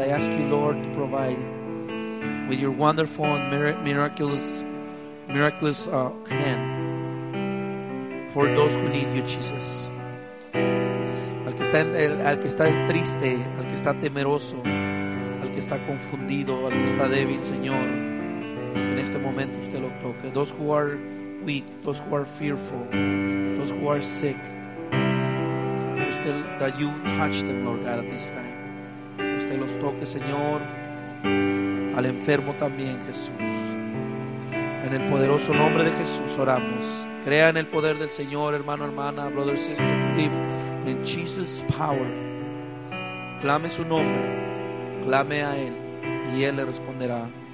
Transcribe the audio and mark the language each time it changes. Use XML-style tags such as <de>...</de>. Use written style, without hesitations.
<en>I ask you, Lord, to provide with your wonderful and miraculous hand for those who need you, Jesus.</en> <es>Al que está triste, al que está temeroso, al que está confundido, al que está débil, Señor, en este momento usted lo toque.</es> <en>Those who are weak, those who are fearful, those who are sick, that you touch them, Lord God, at this time.</en> <es>Usted los toque, Señor, al enfermo también, Jesús. En el poderoso nombre de Jesús oramos. Crea en el poder del Señor, hermano, hermana,</es> <en>brother, sister. Believe in Jesus' power.</en> <es>Clame su nombre. Clame a Él. Y Él le responderá.</es>